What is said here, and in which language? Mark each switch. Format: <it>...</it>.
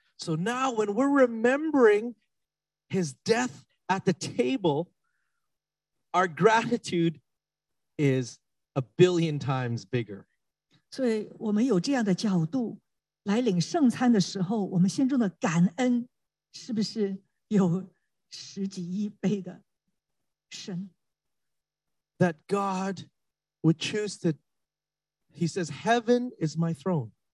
<en>So now when we're remembering his death at the table, our gratitude is a billion times bigger.</en> <zh>所以我们有这样的角度来领圣餐的时候，我们心中的感恩是不是有十几亿倍的深？</zh> <en>That God would choose to, he says, heaven is my throne.</en>